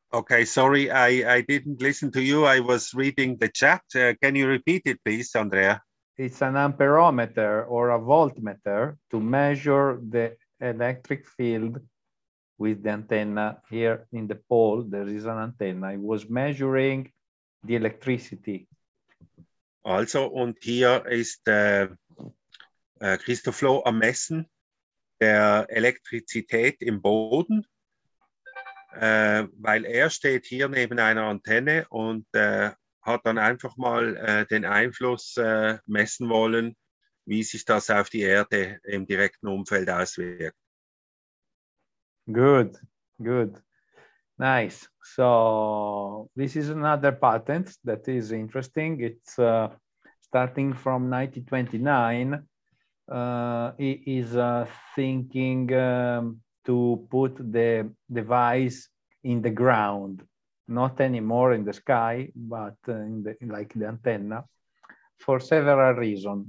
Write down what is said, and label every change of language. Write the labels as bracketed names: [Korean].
[English] Okay, sorry, I didn't listen to you. I was reading the chat. Can you repeat it, please, Andrea? It's an amperometer or a voltmeter to measure the electric field with the antenna here in the pole. There is an antenna. It was measuring the electricity. [German] Also, und hier ist Christoph Loh am Messen der Elektrizität im Boden, weil er steht hier neben einer Antenne und hat dann einfach mal den Einfluss messen wollen, wie sich das auf die Erde im direkten Umfeld auswirkt. [English] Good, good. Nice. So, this is another patent that is interesting. It's starting from 1929. He is thinking to put the device in the ground, not anymore in the sky, but in the, like the antenna, for several reasons.